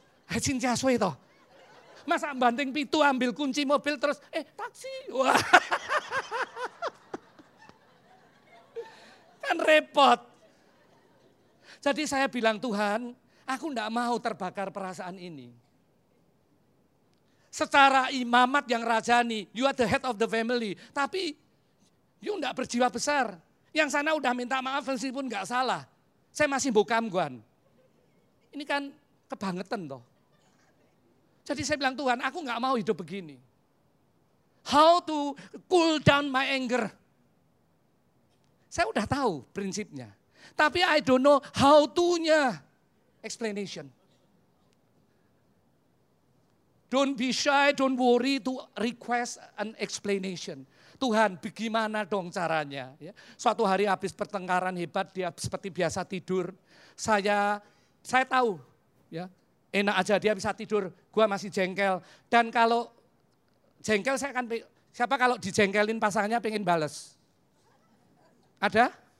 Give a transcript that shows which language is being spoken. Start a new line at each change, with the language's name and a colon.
Indonesian: Hacin jaswe toh. Masa banting pintu, ambil kunci mobil terus, taksi. Wah. Kan repot. Jadi saya bilang, Tuhan, aku enggak mau terbakar perasaan ini. Secara imamat yang rajani,
English: you are the head of the family.
Indonesian: Tapi you enggak berjiwa besar. Yang sana udah minta maaf, meskipun enggak salah. Saya masih bukam, Guan. Ini kan kebangetan toh. Jadi saya bilang, Tuhan, aku enggak mau hidup begini.
English: How to cool down my anger?
Indonesian: Saya udah tahu prinsipnya. Tapi
English: I don't know how to-nya. Explanation. Don't be shy, don't worry to request an explanation.
Indonesian: Tuhan, bagaimana dong caranya? Ya. Suatu hari habis pertengkaran hebat, dia seperti biasa tidur. Saya tahu, ya, enak aja dia bisa tidur, gua masih jengkel. Dan kalau jengkel, saya akan, siapa kalau dijengkelin pasangannya pengen balas? Ada?